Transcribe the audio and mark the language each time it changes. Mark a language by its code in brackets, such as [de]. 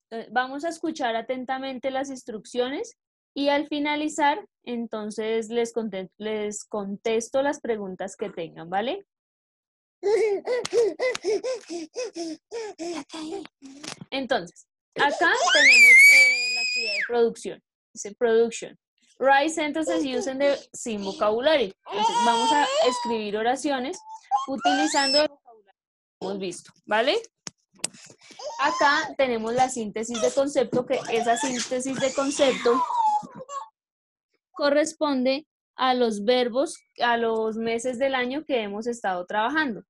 [es] Vamos a escuchar atentamente las instrucciones. Y al finalizar, entonces les contesto las preguntas que tengan, ¿vale? Entonces, acá tenemos la actividad de producción. Dice production. [en] Write sentences using the same vocabulary. [es] Entonces, vamos a escribir oraciones utilizando el vocabulario que hemos visto, ¿vale? Acá tenemos la síntesis de concepto, que esa síntesis de concepto corresponde a los verbos, a los meses del año que hemos estado trabajando.